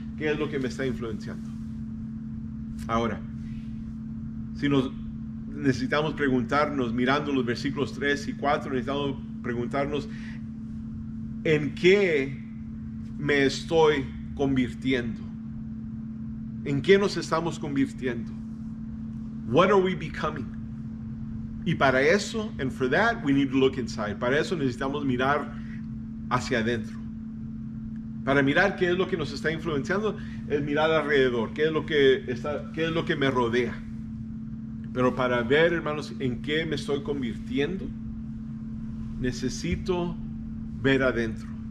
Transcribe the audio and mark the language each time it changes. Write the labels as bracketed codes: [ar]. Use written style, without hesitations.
[es] ¿Qué es lo que me está influenciando? Ahora, si nos necesitamos preguntarnos, mirando los versículos 3 y 4, necesitamos preguntarnos, ¿en qué me estoy convirtiendo? ¿En qué nos estamos convirtiendo? [en] What are we becoming? [es] Y para eso, [en] and for that, we need to look inside. [es] Para eso necesitamos mirar hacia adentro. Para mirar qué es lo que nos está influenciando, es mirar alrededor, qué es lo que me rodea. Pero para ver, hermanos, en qué me estoy convirtiendo, necesito ver adentro.